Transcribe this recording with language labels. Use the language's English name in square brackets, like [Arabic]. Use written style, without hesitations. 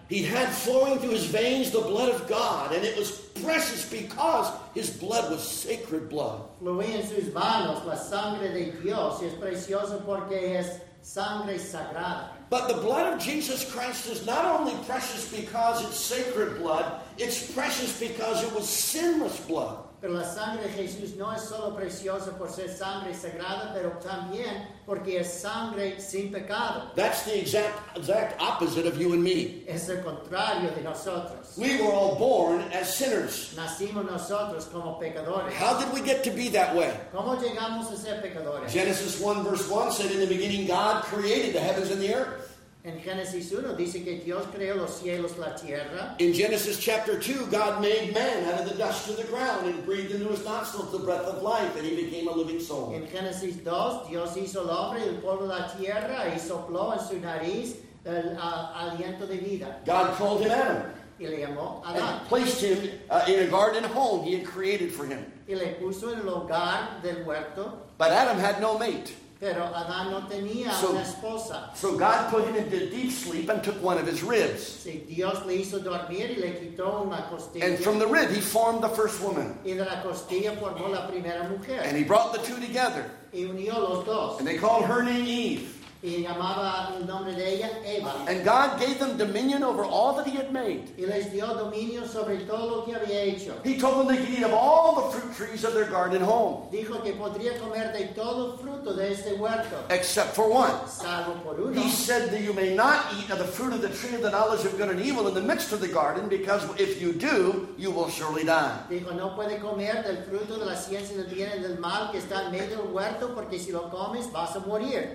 [English] He had flowing through his veins the blood of God, and it was precious because his blood was sacred blood. [Spanish] Fluía en sus manos la sangre de Dios, y es precioso porque es sangre sagrada. [English] But the blood of Jesus Christ is not only precious because it's sacred blood, it's precious because it was sinless blood. [Spanish] Pero la sangre de Jesús no es solo preciosa por ser sangre sagrada, pero también porque es sangre sin pecado. [English] That's the exact opposite of you and me. [Spanish] Es el contrario de nosotros. [English] We were all born as sinners. [Spanish] Nacimos nosotros como pecadores. [English] How did we get to be that way? [Spanish] ¿Cómo llegamos a ser pecadores? [English] Genesis 1 verse 1 said, in the beginning God created the heavens and the earth. [Spanish] En Génesis 1 dice que Dios creó los cielos, la tierra. [English] In Genesis chapter 2, God made man out of the dust of the ground and breathed into his nostrils the breath of life, and he became a living soul. [Spanish] En Génesis 2, Dios hizo al hombre del polvo de la tierra y sopló en su nariz el aliento de vida. [English] God called him Adam. [Spanish] Y le llamó Adán. [English] And placed him in a garden home he had created for him. [Spanish] Y le puso en el hogar del huerto. [English] But Adam had no mate. [Spanish] Pero Adán no tenía una esposa. [English] So God put him into deep sleep and took one of his ribs. [Spanish] Sí, Dios le hizo dormir y le quitó una costilla. [English] And from the rib he formed the first woman. [Spanish] Y de la costilla formó la primera mujer. [English] And he brought the two together. [Spanish] Y unió los dos. [English] And they called her name Eve. [Spanish] Y llamaba el nombre de ella Eva. [English] And God gave them dominion over all that he had made. [Spanish] Y les dio dominio sobre todo lo que había hecho. [English] He told them they could eat of all the fruit trees of their garden home. [Spanish] Dijo que podría comer de todo fruto de este huerto. [English] Except for one. [Spanish] Salvo por uno. [English] He said that you may not eat of the fruit of the tree of the knowledge of good and evil in the midst of the garden, because if you do, you will surely die. [Spanish] Dijo, no puede comer del fruto de la ciencia del bien y del mal que está en medio del huerto, porque si lo comes, vas a morir.